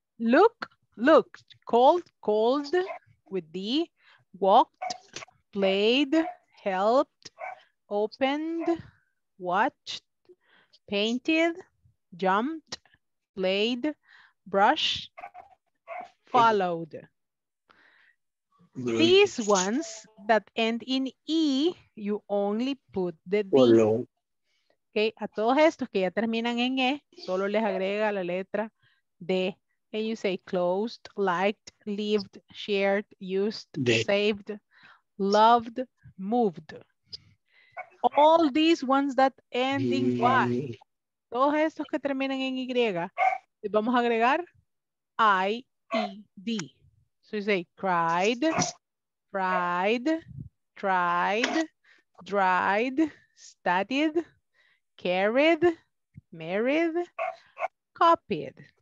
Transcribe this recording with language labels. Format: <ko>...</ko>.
<en>Look, looked, called, called with D, walked, played, helped, opened, watched, painted, jumped, played, brushed, followed. These ones that end in E, you only put the D.</en> <es>Okay, a todos estos que ya terminan en E, solo les agrega la letra D.</es> <en>And you say closed, liked, lived, shared, used, saved, loved, moved. All these ones that end in Y.</en> <es>Todos estos que terminan en Y, vamos a agregar I-E-D.</es> <en>So you say cried, fried, tried, dried, studied, carried, married, copied.</en>